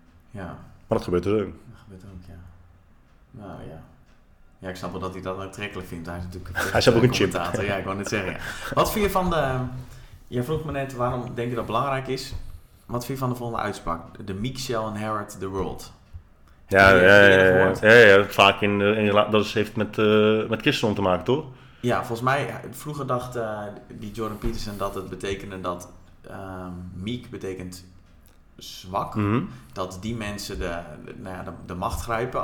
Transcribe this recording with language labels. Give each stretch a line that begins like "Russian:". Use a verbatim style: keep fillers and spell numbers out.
Dutch: Ja. Maar dat gebeurt er ook. Dat gebeurt ook, ja. Nou ja. Ja, ik snap wel dat hij dat aantrekkelijk vindt. Hij is natuurlijk een hij is ook een chip. Ja, ik wou net zeggen. Ja. Wat vind je van de... Je vroeg me net waarom denk je dat belangrijk is. Wat vind je van de volgende uitspraak?
English: The meek shall inherit the world.
Dutch: Ja, ja, ja, ja, ja. Vaak in, in dat heeft met, uh, met christendom te maken, toch? Ja, volgens mij... Vroeger dacht uh, die Jordan Peterson dat het betekende dat... Uh, meek betekent... zwak, mm-hmm. dat die mensen de, de, nou ja, de, de macht grijpen.